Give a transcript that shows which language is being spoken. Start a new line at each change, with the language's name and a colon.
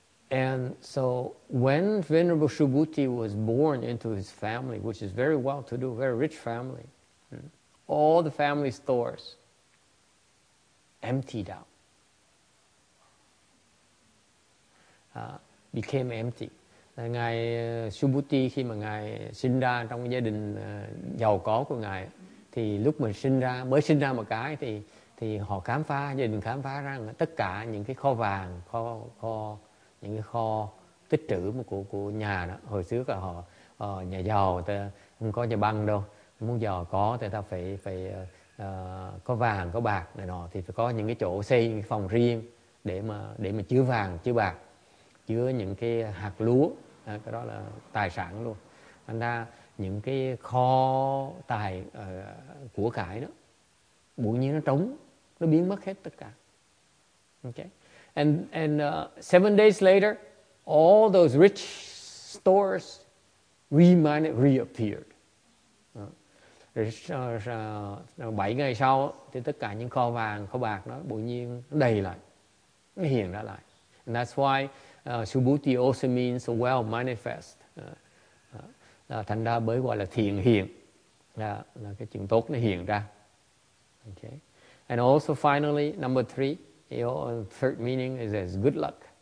English: And so when Venerable Subhuti was born into his family, which is very well-to-do, very rich family, all the family stores emptied out. Became empty.
Vietnamese: Ngài Subhuti khi mà Ngài sinh ra trong gia đình giàu có của Ngài, thì lúc mình sinh ra, mới sinh ra một cái, thì họ khám phá, gia đình khám phá ra tất cả những cái kho vàng, kho những cái kho tích trữ của nhà đó. Hồi xưa là họ nhà giàu, ta không có nhà băng đâu. Muốn giàu có thì ta phải có vàng, có bạc này nọ, thì phải có những cái chỗ xây những cái phòng riêng để mà chứa vàng, chứa bạc, chứa những cái hạt lúa, cái đó là tài sản luôn. Thành ra những cái kho tài của cải đó, bỗng nhiên nó trống, nó biến mất hết tất cả.
English: Okay. And 7 days later, all those rich stores reappeared.
Vietnamese: Rồi 7 ngày sau thì tất cả những kho vàng, kho bạc đó bỗng nhiên nó đầy lại, nó hiện ra lại.
English: And that's why Subhuti also means well manifest.
Vietnamese: Thành ra bởi gọi là thiện hiện, là cái chuyện tốt nó hiện ra.
English: Okay. And also finally, number 3, your third meaning is as good luck.